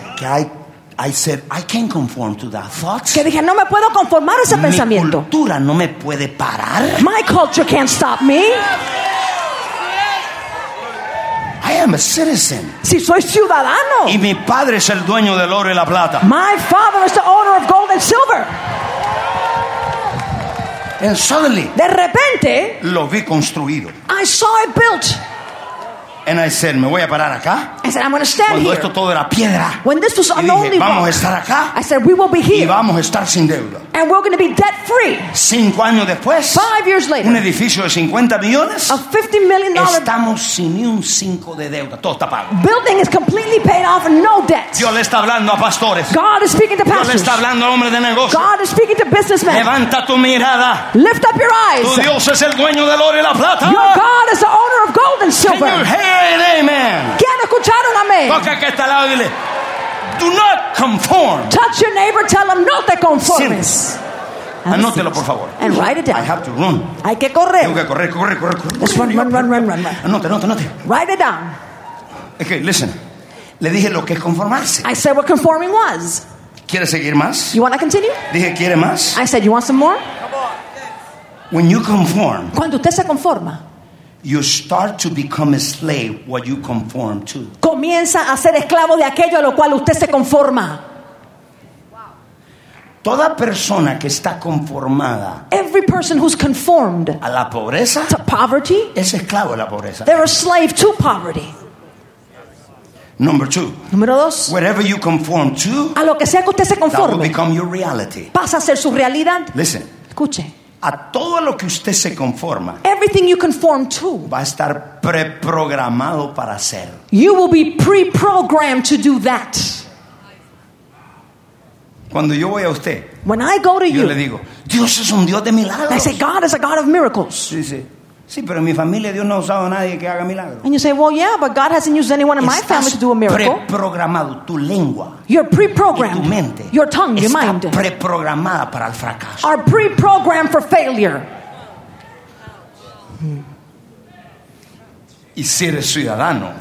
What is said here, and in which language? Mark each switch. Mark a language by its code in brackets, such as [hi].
[en] Que I said I can't conform to that thought. [es] Que dije no me puedo conformar a ese mi pensamiento. Mi cultura no me puede parar. [en] My culture can't stop me. I am a citizen. [es] Si soy ciudadano. Y mi padre es el dueño del oro y la plata. [en] My father is the owner of gold and silver. And suddenly, [es] de repente, lo vi construido. [en] I saw it built. And I said, [es] me voy a parar acá. [en] I said, I'm going to stand [es] cuando [en] here. [es] Esto todo era piedra. [en] When this was [es] y [en] only [es] dije, vamos [en] rock. [es] A estar acá. [en] I said, we will be here. [es] Y vamos a estar sin deuda. [en] And we're going to be debt free. [es] 5 años después, [en] 5 years later, [es] un edificio de 50 millones, [en] a $50 million. [es] Estamos sin ni un cinco de deuda. Todo está pago. [en] Building is completely paid off and no debt. [es] Dios le está hablando a pastores. [en] God is speaking to pastors. [es] Dios le está hablando a hombres de negocios. [en] God is speaking to businessmen. [es] Levanta tu mirada. [en] Lift up your eyes. [es] Tu Dios es el dueño del oro y la plata. [en] Your God is the owner of gold and silver. Amen. [es] ¿Escucharon a mí? Toca que está al lado y dile, [en] do not conform. Touch your neighbor, tell them [es] no te conformes. Anótelo por favor. [en] And write it down. I have to run. [es] Hay que correr. Tengo que correr, correr, correr, correr. [en] Just run. [es] Anote. [en] Write it down. Okay, listen. [es] Le dije lo que es conformarse. [en] I said what conforming was. [es] ¿Quieres seguir más? [en] You want to continue? [es] Dije quiere más. [en] I said you want some more. When you conform. [es] Cuando usted se conforma. [en] You start to become a slave what you conform to. [es] Comienza a ser esclavo de aquello a lo cual usted se conforma. Toda persona que está conformada. [en] Every person who's conformed. [es] A la pobreza. [en] To poverty. [es] Es esclavo de la pobreza. [en] They're a slave to poverty. Number two. [es] Número dos. [en] Whatever you conform to. [es] A lo que sea que usted se conforme. [en] That will become your reality. [es] Pasa a ser su realidad. [en] Listen. [es] Escuche. A todo lo que usted se conforma, [en] everything you conform to, [es] va a estar preprogramado para hacer. [en] You will be pre-programmed to do that. [es] Cuando yo voy a usted, [en] when I go to [es] yo [en] you, [es] le digo, Dios es un Dios de milagros. [en] I say, God is a God of miracles. [es] Sí, sí. Sí, pero en mi familia Dios no ha usado a nadie que haga milagros. [en] And you say, well, yeah, but God hasn't used anyone in my family to do a miracle. [es] Estás preprogramado, tu lengua. [en] You're pre-programmed. [es] Y tu mente. [en] Your tongue, your mind. [es] Está preprogramada para el fracaso. [en] Are pre-programmed for failure. [es] Y si eres ciudadano.